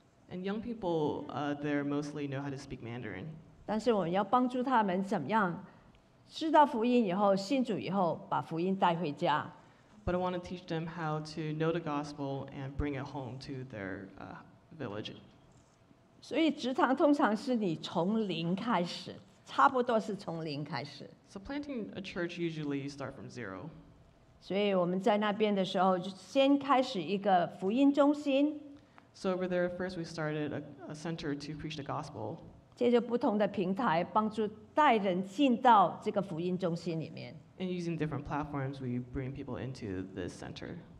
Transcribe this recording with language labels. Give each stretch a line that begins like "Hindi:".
English: And young people there mostly know how to speak Mandarin.
Chinese: 但是我们要帮助他们怎么样知道福音以后，信主以后，把福音带回家。
English: But I want to teach them how to know the gospel and bring it home to their village.
Chinese: 所以职堂通常是你从零开始，差不多是从零开始。
English: So planting a church usually start from zero.
Chinese: 所以我们在那边的时候，就先开始一个福音中心。
English: So over there, first we started a center to preach the gospel.
Chinese: 借着不同的平台，帮助带人进到这个福音中心里面。
English: And using different platforms, we bring people into this center.